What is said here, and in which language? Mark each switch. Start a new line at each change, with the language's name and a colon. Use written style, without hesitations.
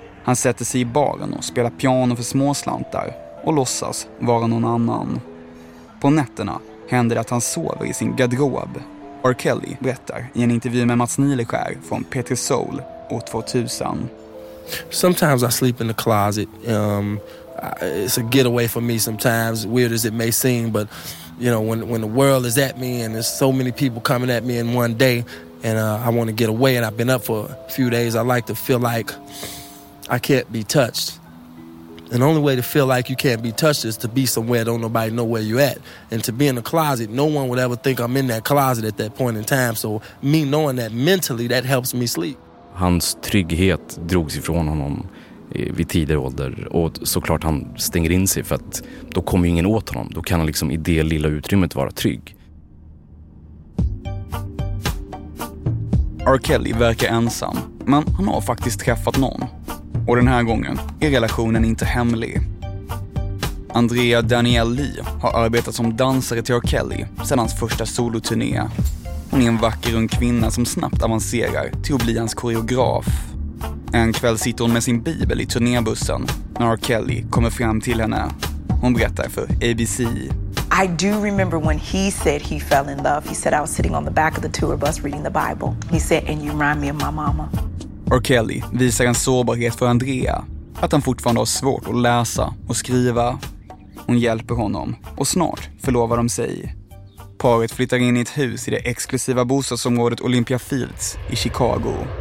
Swedish: Han sätter sig i baren och spelar piano för småslantar och låtsas vara någon annan. På nätterna händer det att han sover i sin garderob. R. Kelly berättar i en intervju med Mats Nileskär från Petri Soul år 2000.
English: Sometimes I sleep in the closet. It's a getaway for me sometimes, weird as it may seem, but you know, when the world is at me and there's so many people coming at me in one day and I want to get away and I've been up for a few days, I like to feel like I can't be touched. And the only way to feel like you can't be touched is to be somewhere don't nobody know where you're at. And to be in a closet, no one would ever think I'm in that closet at that point in time. So me knowing that mentally, that helps me sleep.
Swedish: Hans trygghet drogs ifrån honom vid tidig ålder. Och såklart han stänger in sig för att då kommer ingen åt honom. Då kan han liksom i det lilla utrymmet vara trygg. R. Kelly verkar ensam, men han har faktiskt träffat någon. Och den här gången är relationen inte hemlig. Andrea Danielle Lee har arbetat som dansare till R. Kelly sedan hans första soloturné. Hon är en vacker ung kvinna som snabbt avancerar till att bli hans koreograf. En kväll sitter hon med sin bibel i turnébussen när R. Kelly kommer fram till henne. Hon berättar för ABC.
English: I do remember when he said he fell in love. He said I was sitting on the back of the tour bus reading the Bible. He said, and you remind me of my mama.
Swedish: R. Kelly visar en sårbarhet för Andrea, att han fortfarande har svårt att läsa och skriva. Hon hjälper honom och snart förlovar de sig. Paret flyttar in i ett hus i det exklusiva bostadsområdet Olympia Fields i Chicago.